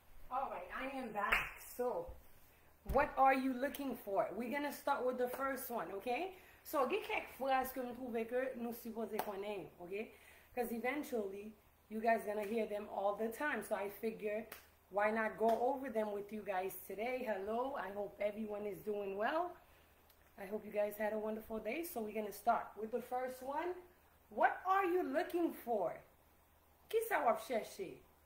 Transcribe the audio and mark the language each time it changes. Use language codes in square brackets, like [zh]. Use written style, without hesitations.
[en] I am back. So, what are you looking for? We're going to start with the first one, okay? [fr] So, il y a quelques phrases que nous trouvons que nous supposons connaître, okay? [en] Because eventually, you guys are going to hear them all the time. So, I figure, why not go over them with you guys today? Hello, I hope everyone is doing well. I hope you guys had a wonderful day. So, we're going to start with the first one. What are you looking for? [fr] Qu'est-ce que vous cherchez?